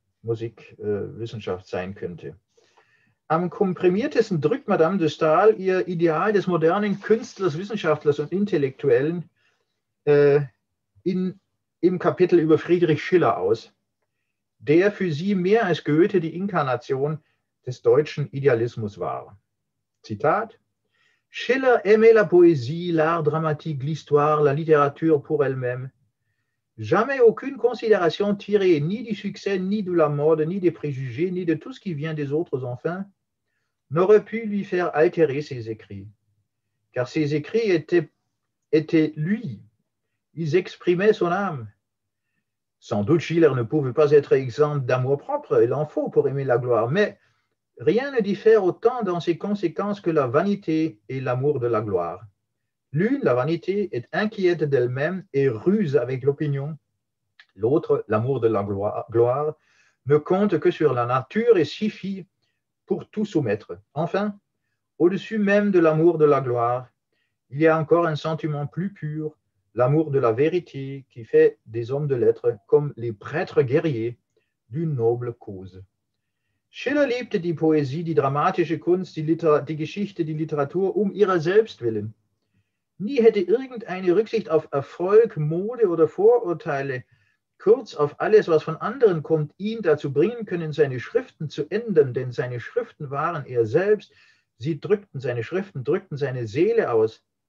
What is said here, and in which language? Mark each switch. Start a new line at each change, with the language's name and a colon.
German: Musikwissenschaft sein könnte. Am komprimiertesten drückt Madame de Stael ihr Ideal des modernen Künstlers, Wissenschaftlers und Intellektuellen im Kapitel über Friedrich Schiller aus, der für sie mehr als Goethe die Inkarnation des deutschen Idealismus war.
French: Zitat: Schiller aimait la poésie, l'art dramatique, l'histoire, la littérature pour elle-même. Jamais aucune considération tirée ni du succès, ni de la mode, ni des préjugés, ni de tout ce qui vient des autres enfin, n'aurait pu lui faire altérer ses écrits. Car ses écrits étaient lui. Ils exprimaient son âme. Sans doute Schiller ne pouvait pas être exempt d'amour propre, il en faut pour aimer la gloire, mais rien ne diffère autant dans ses conséquences que la vanité et l'amour de la gloire. L'une, la vanité, est inquiète d'elle-même et ruse avec l'opinion. L'autre, l'amour de la gloire, ne compte que sur la nature et suffit pour tout soumettre. Enfin, au-dessus même de l'amour de la gloire, il y a encore un sentiment plus pur, l'amour de la vérité qui fait des hommes de lettres comme les prêtres guerriers d'une noble cause.
German: Schiller liebte die Poesie, die dramatische Kunst, die Geschichte, die Literatur um ihrer selbst willen. Nie hätte irgendeine Rücksicht auf Erfolg, Mode oder Vorurteile, kurz auf alles, was von anderen kommt, ihn dazu bringen können, seine Schriften zu ändern, denn seine Schriften waren er selbst, sie drückten seine Schriften, drückten seine Seele aus.